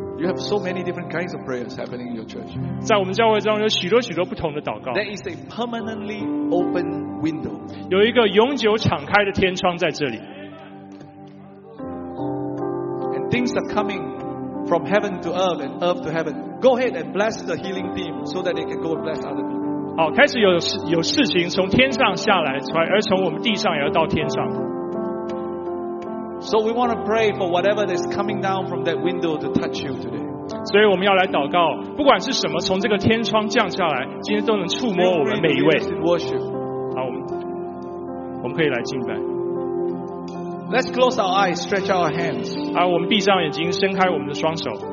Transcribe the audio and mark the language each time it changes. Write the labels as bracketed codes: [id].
[en] You have so many different kinds of prayers happening in your church. [zh] 在我们教会中有许多许多不同的祷告。 [en] There is a permanently open window. [zh] 有一个永久敞开的天窗在这里。 [en] And things are coming. From heaven to earth and earth to heaven. Go ahead and bless the healing team so that they can go and bless other people. [zh] 好，开始有事情从天上下来，而从我们地上也要到天上。 [en] So we want to pray for whatever that's coming down from that window to touch you today. [zh] 所以我们要来祷告，不管是什么从这个天窗降下来，今天都能触摸我们每一位。 [en] Worship. [zh] 好，我们可以来敬拜。 [en] Let's close our eyes, stretch our hands. [zh] 好，我们闭上眼睛，伸开我们的双手。